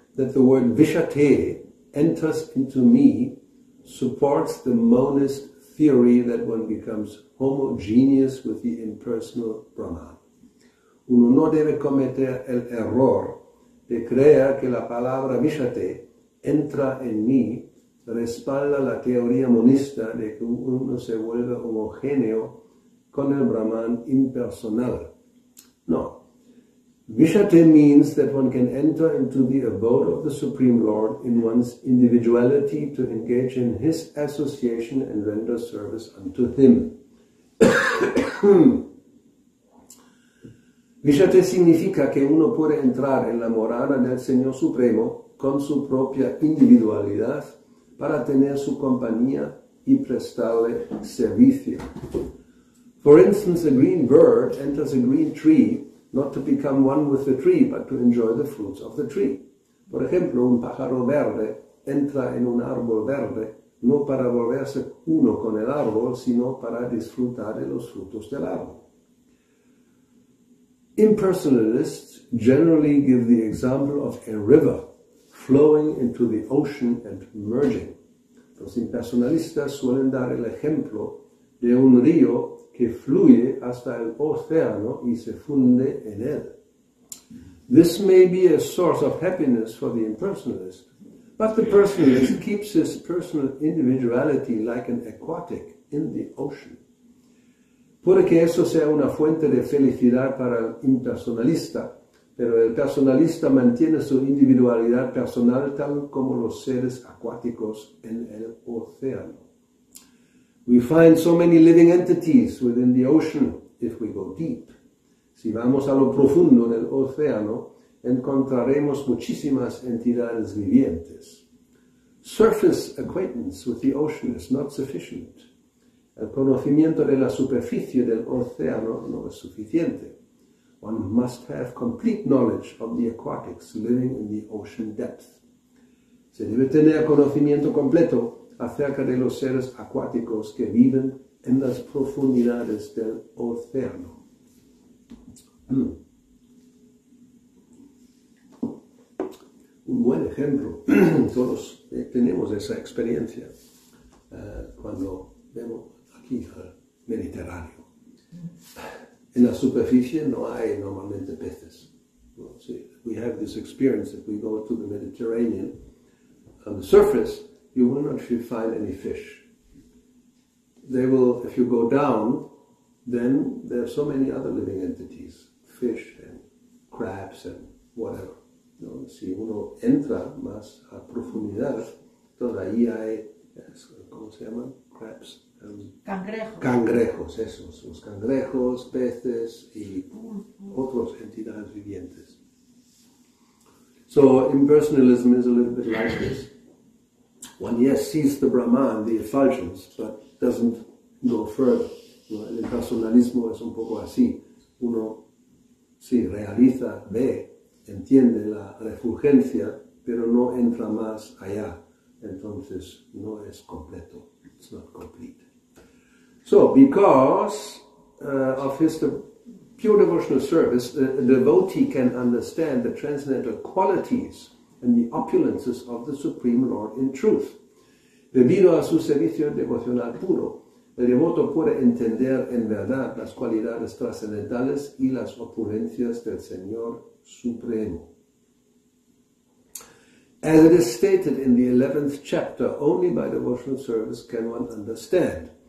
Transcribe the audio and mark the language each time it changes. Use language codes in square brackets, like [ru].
[en] that the word viṣate enters into me supports the monist theory that one becomes homogeneous with the impersonal Brahma. [es] Uno no debe cometer el error de creer que la palabra viṣate entra en mí respalda la teoría monista de que uno se vuelve homogéneo con el Brahman impersonal. [en] No. Viṣate means that one can enter into the abode of the Supreme Lord in one's individuality to engage in His association and render service unto Him. [es] Viṣate significa que uno puede entrar en la morada del Señor Supremo con su propia individualidad para tener su compañía y prestarle servicio. [en] For instance, a green bird enters a green tree not to become one with the tree, but to enjoy the fruits of the tree. [es] Por ejemplo, un pájaro verde entra en un árbol verde no para volverse uno con el árbol, sino para disfrutar de los frutos del árbol. [en] Impersonalists generally give the example of a river flowing into the ocean and merging. [es] Los impersonalistas suelen dar el ejemplo de un río que fluye hasta el océano y se funde en él. [en] This may be a source of happiness for the impersonalist, but the personalist keeps his personal individuality like an aquatic in the ocean. [es] Puede que eso sea una fuente de felicidad para el impersonalista, pero el personalista mantiene su individualidad personal tal como los seres acuáticos en el océano. [en] We find so many living entities within the ocean if we go deep. [es] Si vamos a lo profundo del océano, encontraremos muchísimas entidades vivientes. [en] Surface acquaintance with the ocean is not sufficient. [es] El conocimiento de la superficie del océano no es suficiente. [en] One must have complete knowledge of the aquatics living in the ocean depth. [es] Se debe tener conocimiento completo acerca de los seres acuáticos que viven en las profundidades del océano. Un buen ejemplo, todos tenemos esa experiencia cuando vemos aquí al Mediterráneo. En la superficie no hay normalmente peces. [en] Well, see, we have this experience if we go to the Mediterranean. On the surface, you will not find any fish. They will, if you go down, then there are so many other living entities, fish and crabs and whatever. [es] ¿No? Si uno entra más a profundidad, entonces ahí hay, ¿cómo se llaman? [en] Crabs. [es] Cangrejos. Cangrejos, esos, los cangrejos, peces y otras entidades vivientes. [en] So, impersonalism is a little bit like this. One, yes, sees the Brahman, the effulgence, but doesn't go further. [es] ¿No? El personalismo es un poco así. Uno, sí, realiza, ve, entiende la refulgencia, pero no entra más allá. Entonces, no es completo. [en] It's not complete. So, because of his pure devotional service, a devotee can understand the transcendental qualities and the opulences of the Supreme Lord in truth. [es] Debido a su servicio devocional puro, el devoto puede entender en verdad las cualidades trascendentales y las opulencias del Señor Supremo. [en] As it is stated in the 11th chapter, only by devotional service can one understand.